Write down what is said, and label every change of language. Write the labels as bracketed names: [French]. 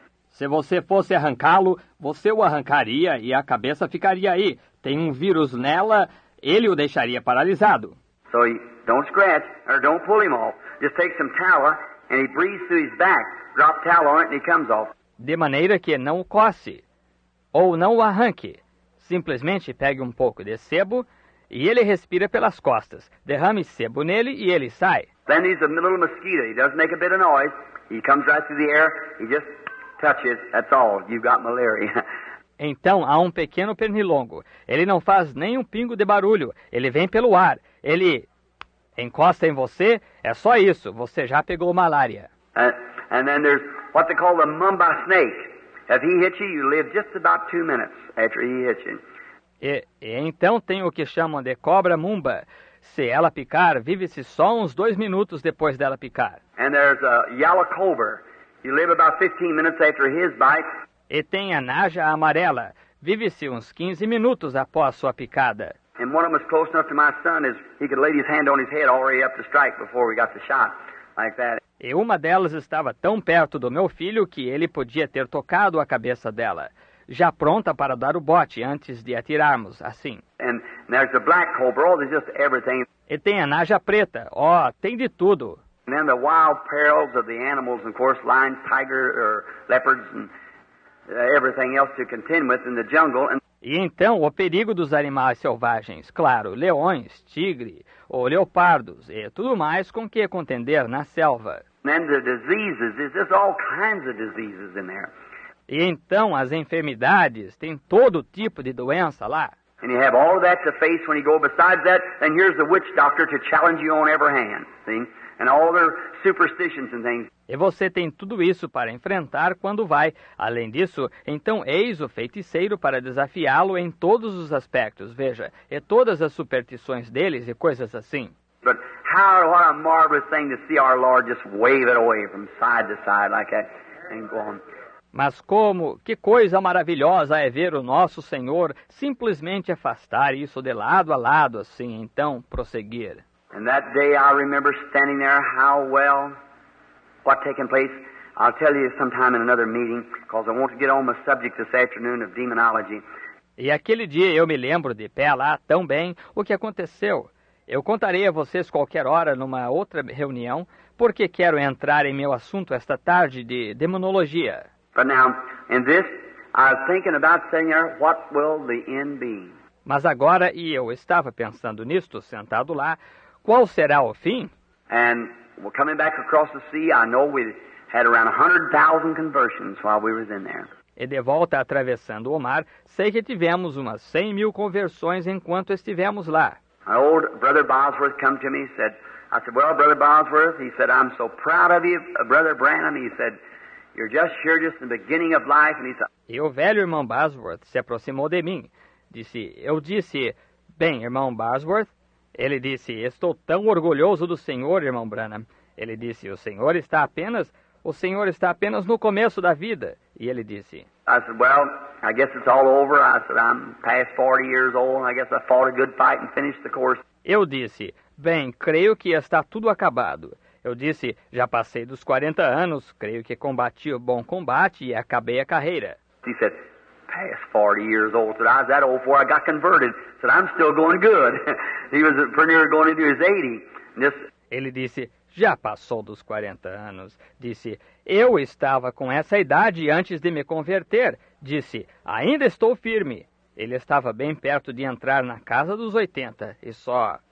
[Portuguese] Se você fosse arrancá-lo, você o arrancaria e a cabeça ficaria aí. Tem um vírus nela, ele o deixaria paralisado. [English] So don't scratch or don't pull him off. Just take some tallow and he breathes through his back. Drop tallow on it and he comes off. [Portuguese] De maneira que não o coce ou não o arranque. Simplesmente pegue um pouco de sebo e ele respira pelas costas. Derrame sebo nele e ele sai. [English] Then he's a little mosquito. He doesn't make a bit of noise. He comes right through the air. He just touches. That's all. You've got malaria. [Portuguese] Então, há um pequeno pernilongo. Ele não faz nenhum pingo de barulho. Ele vem pelo ar. Ele encosta em você. É só isso. Você já pegou malária. [English] And then there's what they call the mamba snake. If he hits you, you live just about 2 minutes after he hits you. [Portuguese] E então tem o que chamam de cobra mumba. Se ela picar, vive-se só uns 2 minutos depois dela picar. [English] And there's a yellow cobra. You live about 15 minutes after his bite. [Portuguese] E tem a naja amarela. Vive-se uns 15 minutos após sua picada. [English] And one of them is close enough to my son is he could lay his hand on his head already up to strike before we got the shot. Like that. [Portuguese] E uma delas estava tão perto do meu filho que ele podia ter tocado a cabeça dela, já pronta para dar o bote antes de atirarmos, assim. [English] And there's a black cobra, oh, there's just everything. [Portuguese] E tem a naja preta, ó, oh, tem de tudo. [English] And then the wild perils of the animals, of course, lions, tigers, or leopards, and everything else to contend with in the jungle. [Portuguese] E então, o perigo dos animais selvagens, claro, leões, tigre, ou leopardos, e tudo mais com que contender na selva. [English] And the diseases, there's all kinds of diseases in there. [Portuguese] E então, as enfermidades, tem todo tipo de doença lá. [English] And you have all of that to face when you go. Besides that, then here's the witch doctor to challenge you on every hand, see? And all their superstitions and things. [Portuguese] E você tem tudo isso para enfrentar quando vai. Além disso, então eis o feiticeiro para desafiá-lo em todos os aspectos. Veja, e todas as superstições deles e coisas assim. [English] But how, what a marvelous thing to see our Lord just wave it away from side to side like that and go on. [Portuguese] Mas como, que coisa maravilhosa é ver o nosso Senhor simplesmente afastar isso de lado a lado assim, então prosseguir. [English] And that day I remember standing there how well what taken place. I'll tell you sometime in another meeting because I want to get on the subject this afternoon of demonology. [Portuguese] E aquele dia eu me lembro de pé lá tão bem o que aconteceu. Eu contarei a vocês qualquer hora numa outra reunião porque quero entrar em meu assunto esta tarde de demonologia. [English] But now, in this, I was thinking about, Senhor, what will the end be? [Portuguese] Mas agora, e eu estava pensando nisto, sentado lá, qual será o fim? [English] And we're coming back across the sea, I know we had around 100,000 conversions while we were in there. [Portuguese] E de volta, atravessando o mar, sei que tivemos umas 100,000 conversões enquanto estivemos lá. [English] My old brother Bosworth came to me and said, I said, well, brother Bosworth, he said, I'm so proud of you, brother Branham, he said, you're just here, just the beginning of life. And he said, [Portuguese] e o velho irmão Bosworth se aproximou de mim. Disse, eu disse, bem, irmão Bosworth. Ele disse, estou tão orgulhoso do senhor, irmão Branham. Ele disse, o senhor está apenas no começo da vida. E ele disse, [English] I said, well, I guess it's all over. I said, I'm past 40 years old. I guess I fought a good fight and finished the course. [Portuguese] Eu disse, bem, creio que está tudo acabado. Eu disse, já passei dos 40 anos, creio que combati o bom combate e acabei a carreira. [English] He said, past 40 years old, said, I was that old before I got converted. Said, I'm still going good. He was pretty near going into his 80. [Portuguese] Ele disse, já passou dos 40 anos. Disse, eu estava com essa idade antes de me converter. Disse, ainda estou firme. Ele estava bem perto de entrar na casa dos 80 e só.